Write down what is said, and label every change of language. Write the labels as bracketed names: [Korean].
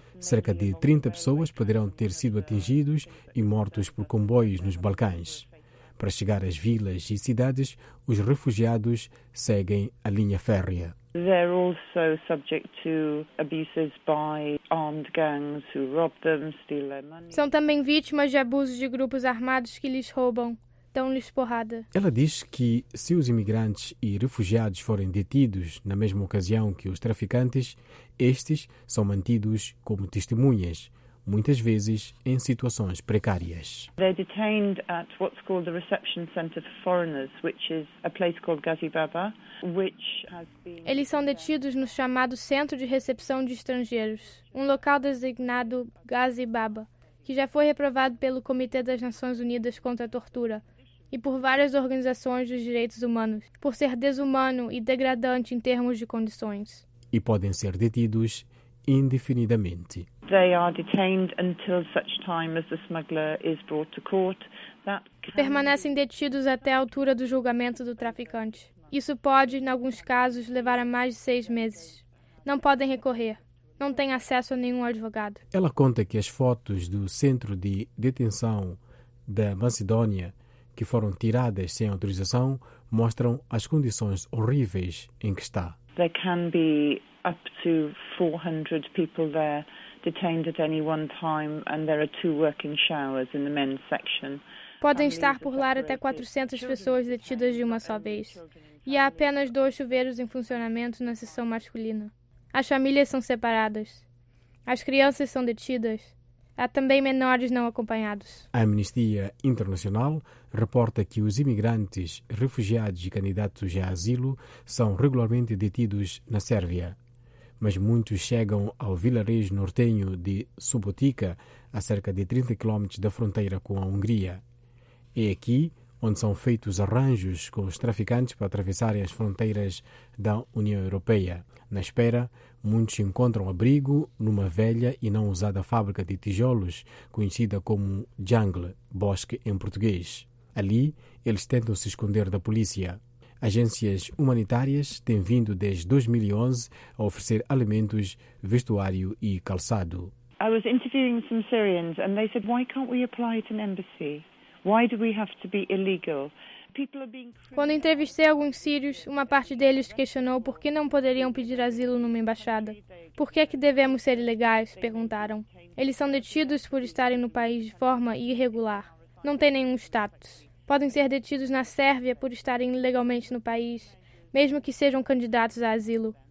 [Portuguese] Cerca de 30 pessoas poderão ter sido atingidos e mortos por comboios nos Balcãs. Para chegar às vilas e cidades, os refugiados seguem a linha férrea. [English] They're also subject to abuses by armed gangs who rob them, steal their money. [Portuguese] São também vítimas de abusos de grupos armados que lhes roubam, dão-lhes porrada. Ela diz que se os imigrantes e refugiados forem detidos na mesma ocasião que os traficantes, estes são mantidos como testemunhas, muitas vezes em situações precárias. [English] They're detained at what's called the reception center for foreigners, which is a place called Ghazi Baba, which has been. [Portuguese] Eles são detidos no chamado centro de recepção de estrangeiros, um local designado Ghazi Baba, que já foi reprovado pelo Comitê das Nações Unidas contra a Tortura e por várias organizações dos direitos humanos por ser desumano e degradante em termos de condições. E podem ser detidos indefinidamente. [English] They are detained until such time as the smuggler is brought to court. [Portuguese] Permanecem detidos até a altura do julgamento do traficante. Isso pode, em alguns casos, levar a mais de 6 meses. Não podem recorrer. Não têm acesso a nenhum advogado. Ela conta que as fotos do centro de detenção da Macedónia, que foram tiradas sem autorização, mostram as condições horríveis em que está. [English] There can be up to 400 people there detained at any one time, and there are 2 working showers in the men's section. [Portuguese] Podem estar por lá até 400 pessoas detidas de uma só vez. E há apenas 2 chuveiros em funcionamento na seção masculina. As famílias são separadas. As crianças são detidas. Há também menores não acompanhados. A Amnistia Internacional reporta que os imigrantes, refugiados e candidatos a asilo são regularmente detidos na Sérvia. Mas muitos chegam ao vilarejo nortenho de Subotica, a cerca de 30 km da fronteira com a Hungria. É aqui onde são feitos arranjos com os traficantes para atravessarem as fronteiras da União Europeia. Na espera, muitos encontram abrigo numa velha e não usada fábrica de tijolos, conhecida como jungle, bosque em português. Ali, eles tentam se esconder da polícia. Agências humanitárias têm vindo desde 2011 a oferecer alimentos, vestuário e calçado. [English] I was interviewing some Syrians and they said, why can't we apply at an embassy? Why do we have to be illegal? [Portuguese] Quando entrevistei alguns sírios, uma parte deles questionou por que não poderiam pedir asilo numa embaixada. Por que é que devemos ser ilegais? Perguntaram. Eles são detidos por estarem no país de forma irregular. Não têm nenhum status. Podem ser detidos na Sérvia por estarem ilegalmente no país, mesmo que sejam candidatos a asilo.